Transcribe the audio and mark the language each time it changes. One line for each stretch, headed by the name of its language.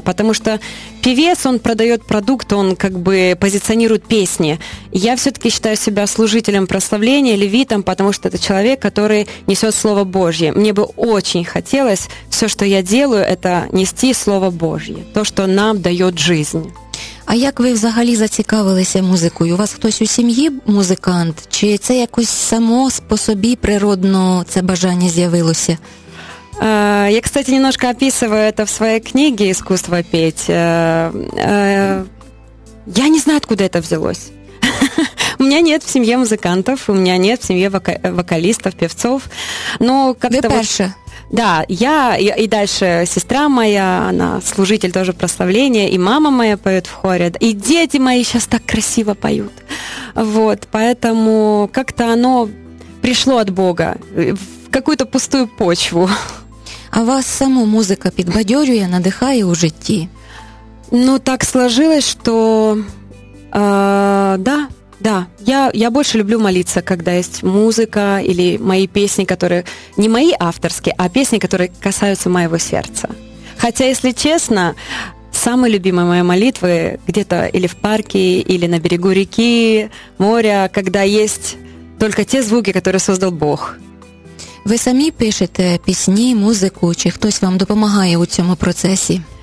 Russian: Потому что певец, он продает продукт, он как бы позиционирует песни. Я все-таки считаю себя служителем прославления, левитом, потому что это человек, который несет Слово Божье. Мне бы очень хотелось, все, что я делаю, это нести Слово Божье.
Ukrainian: То, що нам дає життя. А як ви взагалі зацікавилися музикою? У вас хтось у сім'ї музикант? Чи це якось само по собі природно це бажання з'явилося?
Russian: Я, кстати, немножко описываю это в своей книге «Искусство петь». Я не знаю, откуда это взялось. У меня нет в семье музыкантов, у меня нет в семье вокалистов, певцов. Но как-то вот... Да, я и дальше сестра моя, она служитель тоже прославления, и мама моя поет в хоре, и дети мои сейчас так красиво поют. Вот, поэтому как-то оно пришло от Бога в какую-то пустую почву.
Ukrainian: А вас саму музыка підбадьорює, надихає у житті?
Russian: Ну, так сложилось, что да. Да, я больше люблю молиться, когда есть музыка или мои песни, которые не мои авторские, а песни, которые касаются моего сердца. Хотя, если честно, с самые любимые мои молитвы где-то или в парке, или на берегу реки, моря, когда есть только те звуки, которые создал Бог.
Ukrainian: Ви самі пишете пісні, музику, чи хтось вам допомагає у цьому процесі?